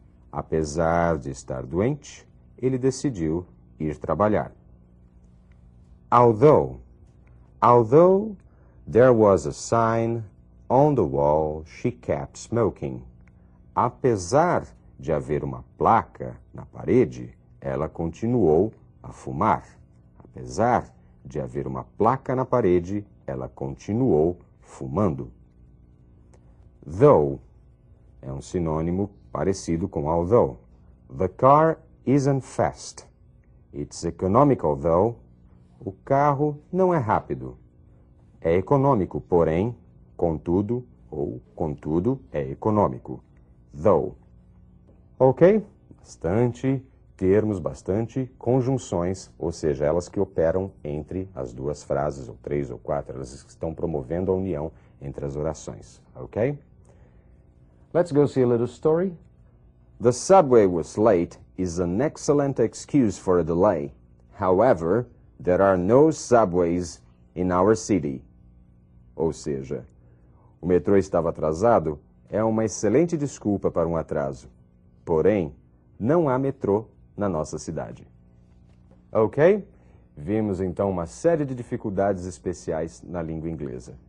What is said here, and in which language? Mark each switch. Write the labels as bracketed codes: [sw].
[pt] Apesar de estar doente, ele decidiu ir trabalhar. [en] Although there was a sign on the wall, she kept smoking. [pt] Apesar de haver uma placa na parede, ela continuou a fumar. Apesar de haver uma placa na parede, ela continuou fumando. Though é um sinônimo parecido com although. [en] The car isn't fast. It's economical, though. [pt] O carro não é rápido. É econômico, porém, contudo, ou contudo, é econômico. Though. Ok? Bastante termos, bastante conjunções, ou seja, elas que operam entre as duas frases, ou três ou quatro, elas estão promovendo a união entre as orações. [en] Ok? Let's go see a little story. The subway was late is an excellent excuse for a delay. However, there are no subways in our city. [pt] Ou seja, o metrô estava atrasado é uma excelente desculpa para um atraso. Porém, não há metrô na nossa cidade. Ok? Vimos então uma série de dificuldades especiais na língua inglesa.